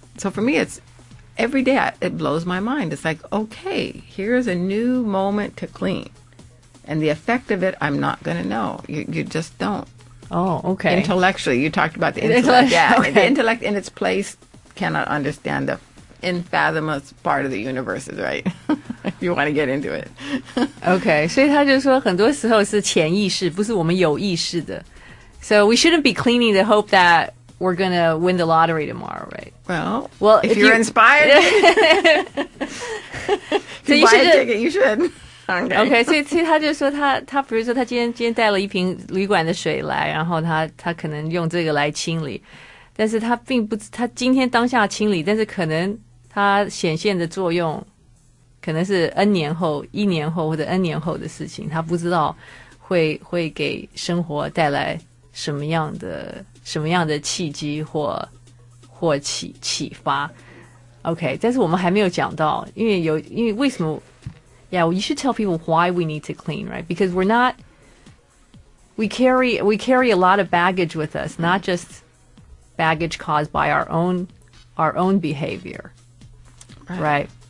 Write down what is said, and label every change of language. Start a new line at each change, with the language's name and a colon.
English: So for me, it's every day it blows my mind. It's like, okay, here's a new moment to clean. And the effect of it, I'm not going to know. You just don't. Oh, okay. Intellectually, you talked about the intellect. Yeah, okay. The intellect in its place cannot understand the infathomous part of the universe, is right? If you want to get into it.
Chinese: Okay, 所以他就说很多时候是潜意识，不是我们有意识的。
English: So we shouldn't be cleaning to hope that we're going to win the lottery tomorrow, right? Well if you're inspired, you should.
Chinese: Okay, 所以他就说他比如说他今天带了一瓶旅馆的水来，然后他可能用这个来清理，但是他并不他今天当下清理，但是可能他显现的作用可能是 N 年后、一年后或者 N 年后的事情，他不知道会给生活带来什么样的契机或启发。 Okay, 但是我们还没有讲到，因为为什么？
English: Yeah, well, you should tell people why we need to clean, right? Because we're not, we carry a lot of baggage with us, not just baggage caused by our own behavior, right?